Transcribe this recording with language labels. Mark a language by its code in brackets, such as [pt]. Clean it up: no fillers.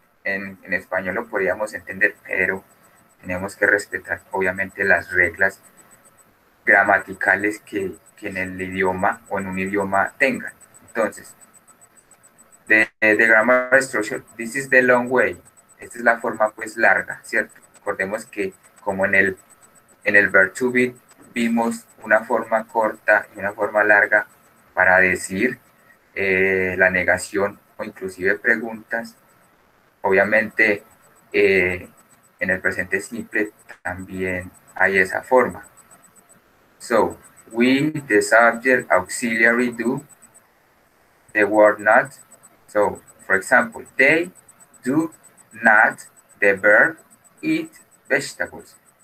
[es] En español lo podríamos entender, pero tenemos que respetar, obviamente, las reglas gramaticales que en el idioma o en un idioma tengan. [en] Entonces, the grammar structure, this is the long way. [es] Esta es la forma, pues, larga, ¿cierto? Recordemos que, como en el verb to be, vimos una forma corta y una forma larga para decir la negación o inclusive preguntas. Obviamente, en el presente simple también hay esa forma. [en] So, we, the subject, auxiliary, do, the word not. So, for example, they do not, the verb, eat vegetables.